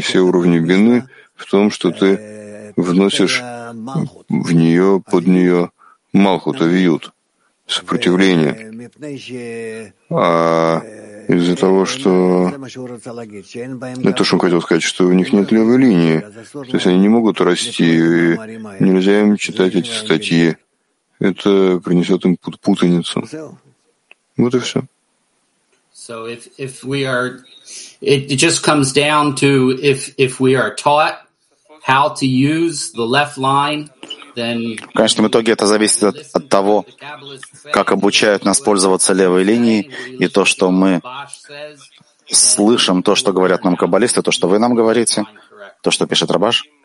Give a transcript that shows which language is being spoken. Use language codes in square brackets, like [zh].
[ru] Все уровни бины в том, что ты вносишь в нее, под нее малхут, авиют, сопротивление. А из-за того, что... Это что он хотел сказать, что у них нет левой линии. То есть они не могут расти, и нельзя им читать эти статьи. Это принесет им путаницу. Вот и все. [en] So if we are, it just comes down to if we are taught how to use the left line, then. [ru] В конечном итоге это зависит от того, как обучают нас пользоваться левой линией, и то, что мы слышим, то, что говорят нам каббалисты, то, что вы нам говорите, то, что пишет Рабаш.